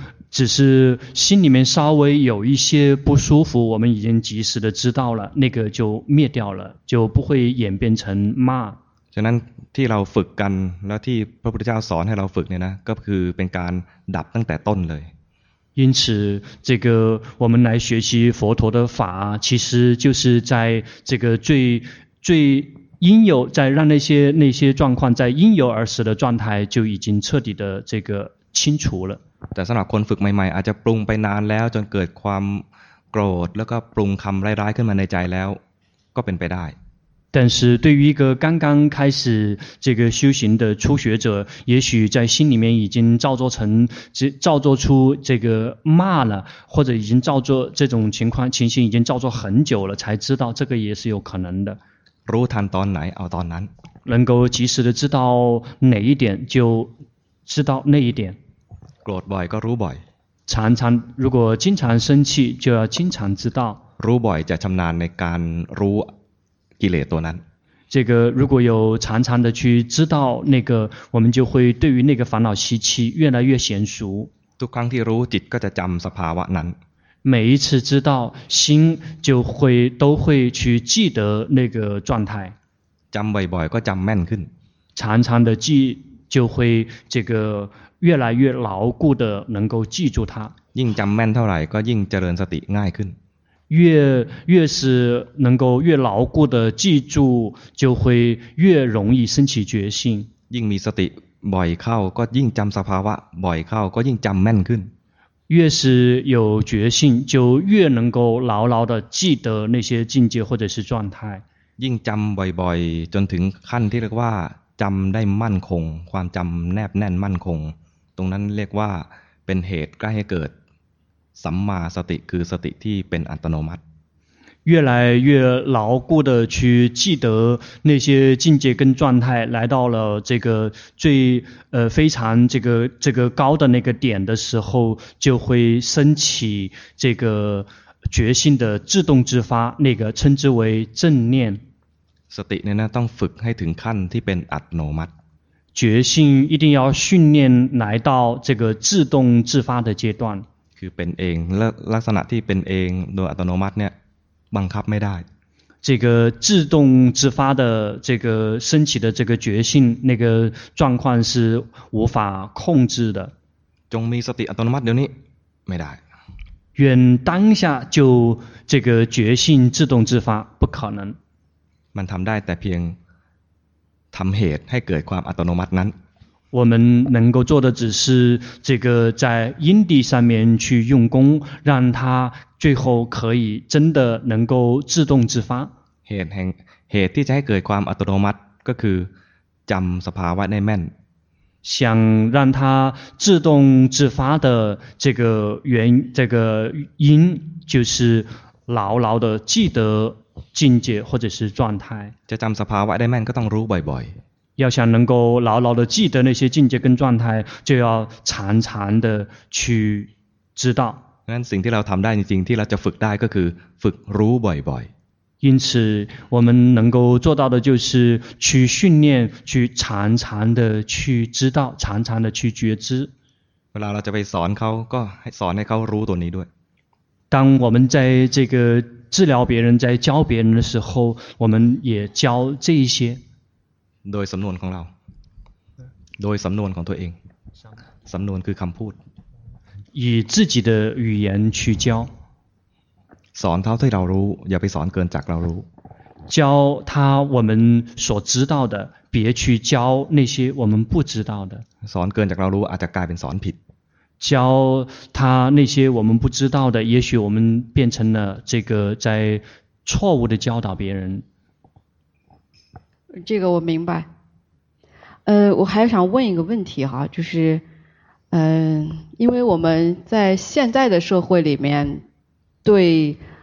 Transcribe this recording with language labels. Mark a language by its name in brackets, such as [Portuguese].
[Chinese] 只是心里面稍微有一些不舒服我们已经及时的知道了那个就灭掉了就不会演变成骂 [Thai] ฉะนั้นที่เราฝึกกันแล้วที่พระพุทธเจ้าสอนให้เราฝึกเนี่ยนะก็คือเป็นการดับตั้งแต่ต้นเลย [Chinese] 因此这个我们来学习佛陀的法其实就是在这个最应有在让那些状况在应有而死的状态就已经彻底的这个清除了 [Thai] แต่สำหรับคนฝึกใหม่ๆอาจจะปรุงไปนานแล้วจนเกิดความโกรธแล้วก็ปรุงคำร้ายๆขึ้นมาในใจแล้วก็เป็นไปได้ [Chinese] 但是对于一个刚刚开始这个修行的初学者也许在心里面已经造作出这个骂了或者已经造作这种情形已经造作很久了才知道这个也是有可能的 [Thai] รู้ทันตอนไหนเอาตอนนั้น [Chinese] 能够及时的知道哪一点就知道那一点 [Thai] โกรธบ่อยก็รู้บ่อย [Chinese] 常如果经常生气就要经常知道 [Thai] รู้บ่อยจะชำนาญในการรู้กิเลสตัวนั้น [Chinese] 这个如果有常常的去知道那个我们就会对于那个烦恼习气越来越娴熟 [Thai] ทุกครั้งที่รู้จิตก็จะจำสภาวะนั้น [Chinese] 每一次知道心就会都会去记得那个状态 [Thai] จำบ่อยๆก็จำแม่นขึ้น [Chinese] 常常的记就会这个越来越牢固的能够记住它 [Thai] ยิ่งจำแม่นเท่าไหร่ก็ยิ่งเจริญสติง่ายขึ้น [Chinese] 越是能够越牢固的记住就会越容易升起决心 [Thai] ยิ่งมีสติบ่อยเข้าก็ยิ่งจำสภาวะบ่อยเข้าก็ยิ่งจำแม่นขึ้น [Chinese] 越是有决心就越能够牢牢的记得那些境界或者是状态 [Thai] ยิ่งจำบ่อยๆจนถึงขั้นที่เรียกว่าจำได้มั่นคงความจำแนบแน่นมั่นคงตรงนั้นเรียกว่าเป็นเหตุใกล้ให้เกิดสัมมาสติคือสติที่เป็นอัตโนมัติ [Chinese] 越来越牢固的去记得那些境界跟状态来到了这个最非常这个高的那个点的时候就会升起这个觉性的自动自发，那个称之为正念。 [Thai] สติเนี่ยนะต้องฝึกให้ถึงขั้นที่เป็นอัตโนมัติ。 [Chinese] 觉性一定要训练来到这个自动自发的阶段。 [Thai] คือเป็นเองและลักษณะที่เป็นเองโดยอัตโนมัติเนี่ยบังคับไม่ได้。 [Chinese] 这个自动自发的这个升起的这个觉性那个状况是无法控制的。 [Thai] จงมีสติอัตโนมัติเดี๋ยวนี้ไม่ได้。 [Chinese] 愿当下就这个觉性自动自发，不可能。 [Thai] มันทำได้แต่เพียงทำเหตุให้เกิดความอัตโนมัตินั้น。 [Chinese] 我们能够做的只是这个在因地上面去用功，让它最后可以真的能够自动自发。 [Thai] เหตุที่จะให้เกิดความอัตโนมัติก็คือจำสภาวะได้แม่น。 [Chinese] 想让它自动自发的这个原这个因，就是牢牢的记得境界或者是状态。 [Thai] จะจำสภาวะได้แม่นก็ต้องรู้บ่อย [Chinese] ๆ要想能够牢牢的记得那些境界跟状态，就要常常的去知道。 [Thai] งั้นสิ่งที่เราทำได้จริงๆที่เราจะฝึกได้ก็คือฝึกรู้บ่อยๆ [Chinese] 因此我们能够做到的就是去训练去常常的去知道常常的去觉知 [Thai] เวลาเราจะไปสอนเขาก็สอนให้เขารู้ตัวนี้ด้วย [Chinese] 当我们在这个治疗别人在教别人的时候我们也教这一些 [Thai] โดยสำนวนของเราโดยสำนวนของตัวเองสำนวนคือคำพูด [Chinese] 以自己的语言去教 [Thai] สอนเท่าที่เรารู้อย่าไปสอนเกินจากเรารู้ [Chinese] 教他我们所知道的别去教那些我们不知道的 [Thai] สอนเกินจากเรารู้อาจจะกลายเป็นสอนผิด [Chinese] 教他那些我们不知道的也许我们变成了这个在错误的教导别人这个我明白我还想问一个问题哈就是因为我们在现在的社会里面对